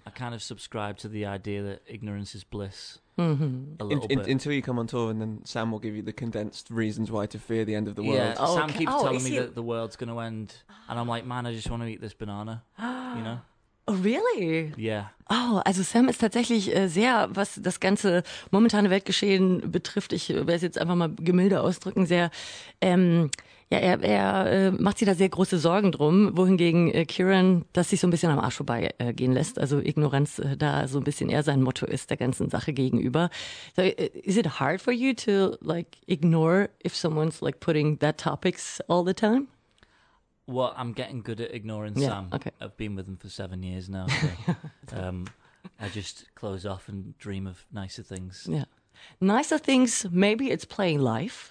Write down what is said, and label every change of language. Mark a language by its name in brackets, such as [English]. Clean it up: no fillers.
[English] I kind of subscribe to the idea that ignorance is bliss. Mm-hmm. A little bit. Until you come on tour and then Sam will give you the condensed reasons why to fear the end of the world. Yeah. Oh, Sam keeps telling me that the world's going to end. And I'm like, man, I just want to eat this banana. You know? Oh, really? Yeah. [German] Oh, also Sam ist tatsächlich sehr, was das ganze momentane Weltgeschehen betrifft, ich werde es jetzt einfach mal gemilde ausdrücken, sehr, er macht sich da sehr große Sorgen drum, wohingegen Kieran das sich so ein bisschen am Arsch vorbeigehen lässt, also Ignoranz da so ein bisschen eher sein Motto ist der ganzen Sache gegenüber. [English] So, is it hard for you to like ignore if someone's like putting that topics all the time? Well, I'm getting good at ignoring Sam. Okay. I've been with him for 7 years now. So, I just close off and dream of nicer things. Yeah, nicer things, maybe it's playing live.